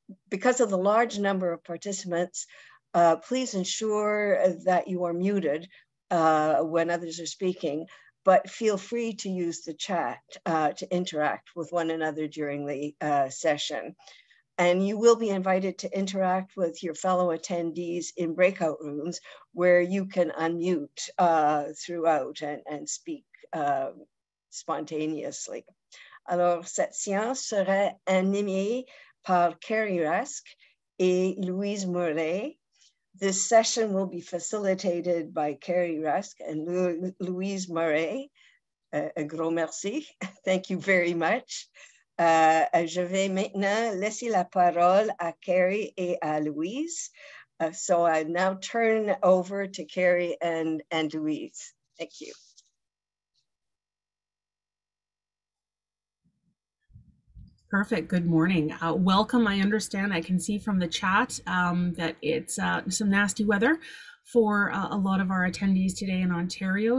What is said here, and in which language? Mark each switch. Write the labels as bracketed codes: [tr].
[en] Because of the large number of participants, please ensure that you are muted when others are speaking, but feel free to use the chat to interact with one another during the session. And you will be invited to interact with your fellow attendees in breakout rooms where you can unmute throughout and speak spontaneously. [fr] Alors, cette séance sera animée par Carrie Rusk et Louise Murray. [en] This session will be facilitated by Carrie Rusk and Louise Murray. [fr] Un gros merci. [en] Thank you very much. [fr] Je vais maintenant laisser la parole à Carrie et à Louise. [en] So I now turn over to Carrie and Louise. Thank you. Perfect. Good morning. Welcome. I understand I can see from the chat that it's some nasty weather for a lot of our attendees today in Ontario.